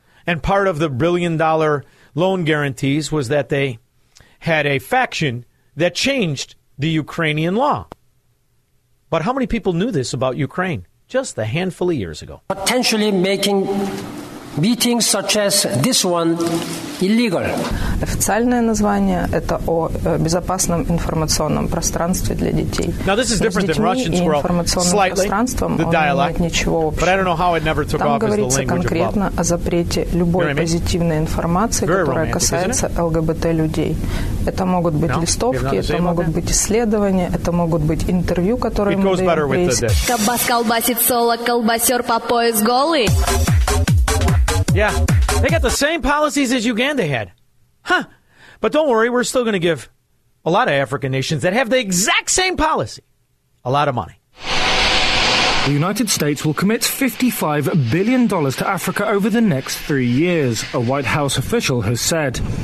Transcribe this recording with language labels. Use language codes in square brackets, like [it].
[en] And part of the $1 billion loan guarantees was that they had a faction that changed the Ukrainian law. But how many people knew this about Ukraine just a handful of years ago? Potentially making meetings such as this one illegal. [ru] Официальное название это о безопасном информационном пространстве для детей. [en] Now this is different than Russian squirrel. Slightly, the dialect. But I don't know how it never took off as the language of Bob. [ru] Там говорится конкретно о запрете любой позитивной информации, которая касается ЛГБТ людей. Это могут быть листовки, это могут быть исследования, это могут быть интервью, которые мы даем. Кабас колбасит соло, колбасер по пояс голый. [en] Yeah, they got the same policies as Uganda had. Huh. But don't worry, we're still going to give a lot of African nations that have the exact same policy a lot of money. The United States will commit $55 billion to Africa over the next 3 years, a White House official has said.